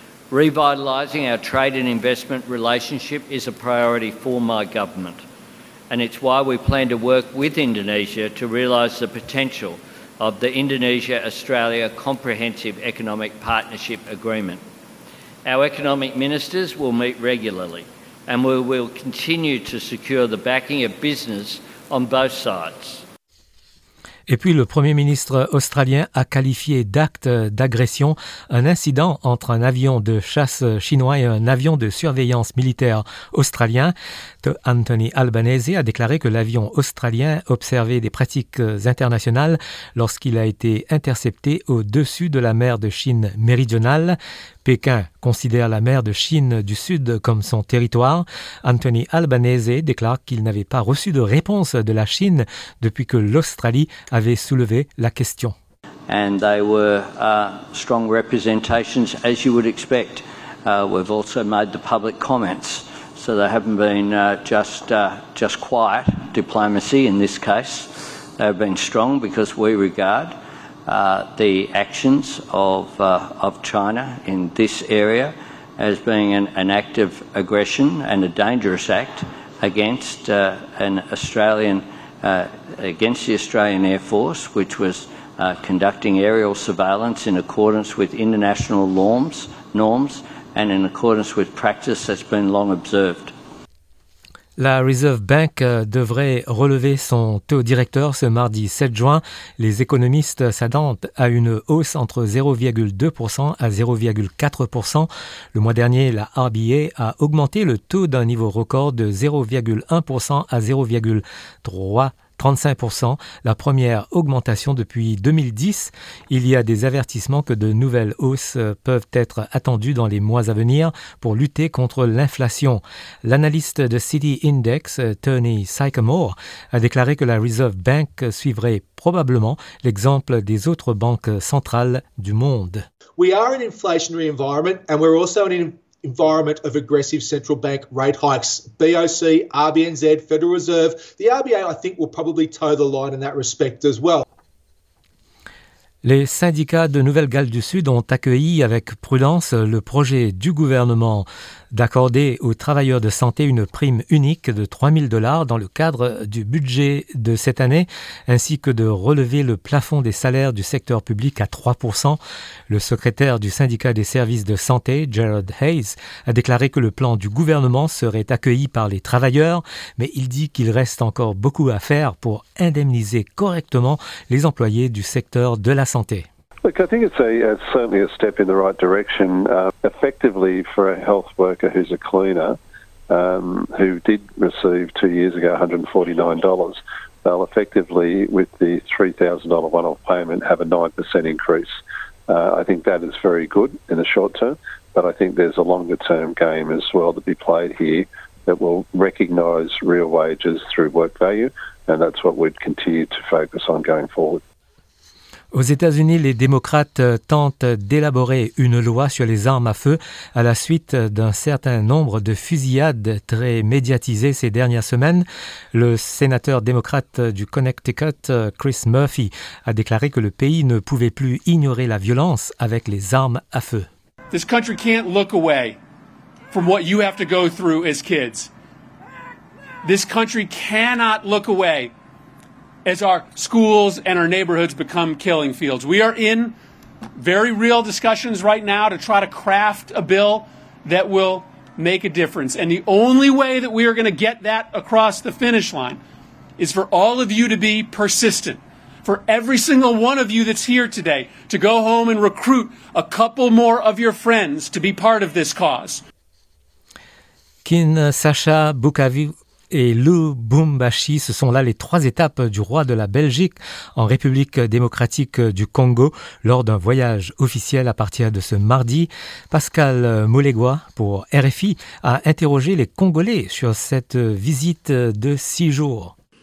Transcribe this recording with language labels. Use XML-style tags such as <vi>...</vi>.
<en>Revitalizing our trade and investment relationship is a priority for my government, and it's why we plan to work with Indonesia to realize the potential of the Indonesia-Australia Comprehensive Economic Partnership Agreement. Our economic ministers will meet regularly, and we will continue to secure the backing of business on both sides.</en> <fr>Et puis le Premier ministre australien a qualifié d'acte d'agression un incident entre un avion de chasse chinois et un avion de surveillance militaire australien. Anthony Albanese a déclaré que l'avion australien observait des pratiques internationales lorsqu'il a été intercepté au-dessus de la mer de Chine méridionale. Pékin considère la mer de Chine du Sud comme son territoire. Anthony Albanese déclare qu'il n'avait pas reçu de réponse de la Chine depuis que l'Australie avait soulevé la question.</fr> <en>And they were strong representations, as you would expect. We've also made the public comments, so they haven't been just quiet diplomacy in this case. They've been strong because we regard the actions of China in this area as being an act of aggression and a dangerous act against an Australian. Against the Australian Air Force, which was conducting aerial surveillance in accordance with international norms and in accordance with practice that's been long observed.</en> <fr>La Reserve Bank devrait relever son taux directeur ce mardi 7 juin. Les économistes s'attendent à une hausse entre 0,2% à 0,4%. Le mois dernier, la RBA a augmenté le taux d'un niveau record de 0,1% à 0,35%, la première augmentation depuis 2010. Il y a des avertissements que de nouvelles hausses peuvent être attendues dans les mois à venir pour lutter contre l'inflation. L'analyste de City Index, Tony Sycamore, a déclaré que la Reserve Bank suivrait probablement l'exemple des autres banques centrales du monde.</fr> <en>We are an inflationary environment and we're also in an environment of aggressive central bank rate hikes. BOC, RBNZ, Federal Reserve. The RBA, I think, will probably toe the line in that respect as well.</en> <fr>Les syndicats de Nouvelle-Galles du Sud ont accueilli avec prudence le projet du gouvernement d'accorder aux travailleurs de santé une prime unique de 3 000 $ dans le cadre du budget de cette année, ainsi que de relever le plafond des salaires du secteur public à 3%. Le secrétaire du syndicat des services de santé, Gerard Hayes, a déclaré que le plan du gouvernement serait accueilli par les travailleurs, mais il dit qu'il reste encore beaucoup à faire pour indemniser correctement les employés du secteur de la santé.</fr> <en>Look, I think it's certainly a step in the right direction. Effectively, for a health worker who's a cleaner, who did receive 2 years ago $149, they'll effectively, with the $3,000 one-off payment, have a 9% increase. I think that is very good in the short term, but I think there's a longer-term game as well to be played here that will recognise real wages through work value, and that's what we'd continue to focus on going forward.</en> <fr>Aux États-Unis, les démocrates tentent d'élaborer une loi sur les armes à feu à la suite d'un certain nombre de fusillades très médiatisées ces dernières semaines. Le sénateur démocrate du Connecticut, Chris Murphy, a déclaré que le pays ne pouvait plus ignorer la violence avec les armes à feu.</fr> <en>This country can't look away from what you have to go through as kids. This country cannot look away as our schools and our neighborhoods become killing fields. We are in very real discussions right now to try to craft a bill that will make a difference. And the only way that we are going to get that across the finish line is for all of you to be persistent, for every single one of you that's here today to go home and recruit a couple more of your friends to be part of this cause.</en> <fr>Kin Sacha Bukavu et Lou Bumbashi, ce sont là les trois étapes du roi de la Belgique en République démocratique du Congo lors d'un voyage officiel à partir de ce mardi. Pascal Molégois, pour RFI, a interrogé les Congolais sur cette visite de 6 jours.</fr>